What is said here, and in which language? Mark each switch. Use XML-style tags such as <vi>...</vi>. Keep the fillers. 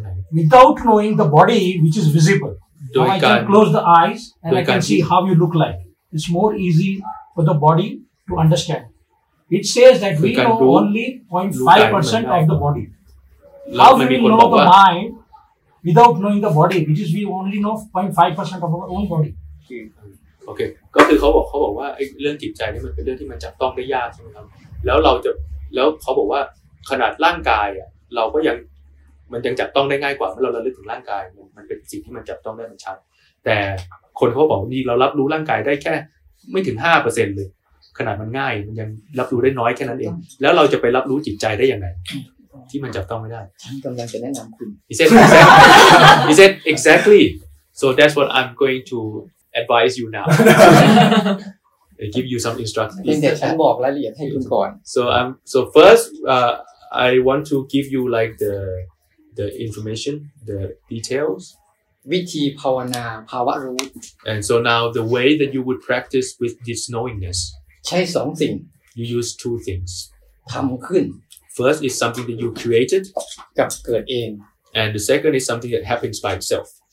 <en>without knowing the body which is visible. I can close the eyes and I can see how you look like. It's more easy for the body to understand. It says that we know only 0.5% of the body. How do we know the mind without knowing the body? Which is we only know 0.5% of our own body.</en> <th>โอเคก็คือเขาบอกเขาบอกว่าเรื่องจิตใจนี่มันเป็นเรื่องที่มันจับต้องได้ยากใช่ไหมครับแล้วเราจะแล้วเขาบอกว่าขนาดร่างกายอ่ะเราก็ยัง มันยังจับต้องได้ง่ายกว่าเมื่อเราเลึกถึงร่างกายมันเป็นสิ่งที่มันจับต้องได้มันชัดแต่คนเขาบอกนี่เรารับรู้ร่างกายได้แค่ไม่ถึงห้าเปอร์เซ็นต์เลย ขนาดมันง่าย มันยังรับรู้ได้น้อยแค่นั้นเองแล้วเราจะไปรับรู้จิตใจได้ยังไง ที่มันจับต้องไม่ได้ฉันกำลังจะแนะนำคุณ</th> <en>is it exactly is it exactly so that's what I'm going to advise you now give you some instructions</en> <th>ฉันบอกรายละเอียดให้คุณก่อน</th> <en>so I'm so first I want to give you like the the information, the details. Viti Pawana And so now the way that you would practice with this knowingness. Chai something. You use two things. First is something that you created. And the second is something that happens by itself.</en>